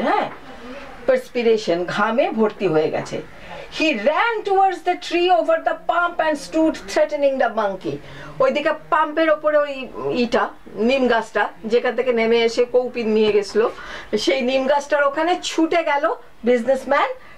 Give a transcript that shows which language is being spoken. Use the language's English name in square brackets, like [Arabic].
[Bangla] হ্যাঁ, perspiration, ঘামে ভর্তি হয়ে গেছে. [English] He ran towards the tree over the pump and stood threatening the monkey. [Bangla] ওইদিকে পাম্পের ওপরে ওই ইটা, নিম গাছটা, যেখান থেকে নেমে এসে কৌপিন নিয়ে গেছিল, সেই নিম গাছটার ওখানে ছুটে গেল বিজনেসম্যান.